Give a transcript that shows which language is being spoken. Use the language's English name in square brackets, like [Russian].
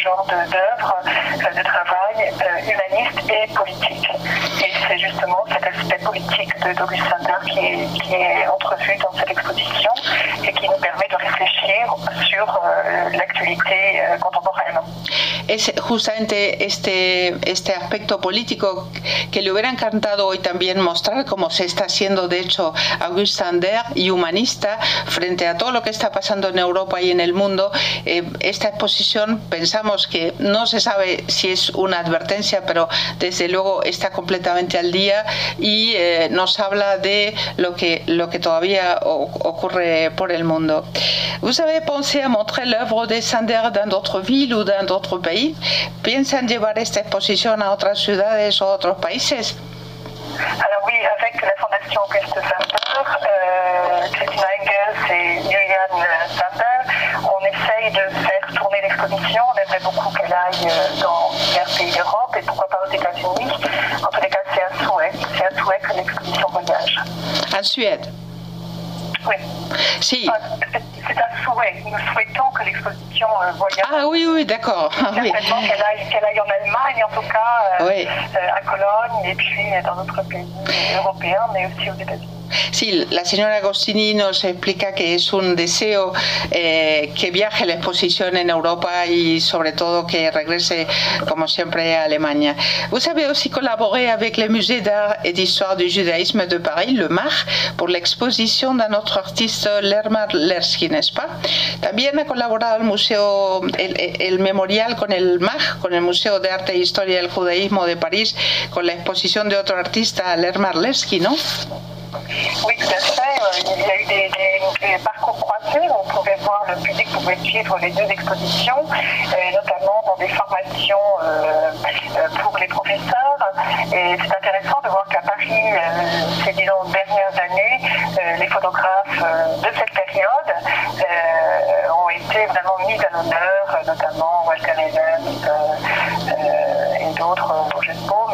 [French] genre de, d'œuvre, de travail humaniste et politique. Et c'est justement cet aspect politique de Doris Sander qui est entrevu dans cette exposition et qui nous permet de réfléchir sur l'actualité contemporaine. [Spanish] Es justamente este aspecto político que le hubiera encantado hoy también mostrar, como se está haciendo de hecho Auguste Sander, y humanista frente a todo lo que está pasando en Europa y en el mundo. Esta exposición pensamos que no se sabe si es una advertencia, pero desde luego está completamente al día y nos habla de lo que todavía ocurre por el mundo. ¿Vos habéis pensado mostrar la obra de Sander en otra ciudad o en otro país? ¿Piensan llevar esta exposición a otras ciudades o a otros países? [French] Alors oui, avec la Fondation Auguste Sander, Christina Engels et Julian Sander, on essaye de faire tourner l'exposition. On aimerait beaucoup qu'elle aille dans divers pays d'Europe et pourquoi pas aux États-Unis. En tous les cas, c'est un souhait que l'exposition voyage. En Suède. Oui. Si. Enfin, c'est un souhait. Nous souhaitons que l'exposition voyage. Ah oui, d'accord. Certainement oui. qu'elle aille en Allemagne, en tout cas, oui. À Cologne, et puis dans d'autres pays européens, mais aussi aux États-Unis. [Spanish] Sí, la señora Agostini nos explica que es un deseo que viaje la exposición en Europa y sobre todo que regrese, como siempre, a Alemania. [French] Vous avez aussi collaboré avec le Musée d'Art et d'Histoire du Judaïsme de Paris, le MAR, pour l'exposition d'un autre artiste, Lerma Lersky, n'est-ce pas? [Spanish] También ha colaborado el Museo, el Memorial con el MAR, con el Museo de Arte e Historia del Judaísmo de París, con la exposición de otro artista, Lerma Lersky, ¿no? [French] Oui, tout à fait. Il y a eu des parcours croisés. On pouvait voir, le public pouvait suivre les deux expositions, notamment dans des formations pour les professeurs. Et c'est intéressant de voir qu'à Paris, ces disons dernières années, les photographes de cette période ont été vraiment mis à l'honneur, notamment Walter Evans et d'autres, Roger Spohn.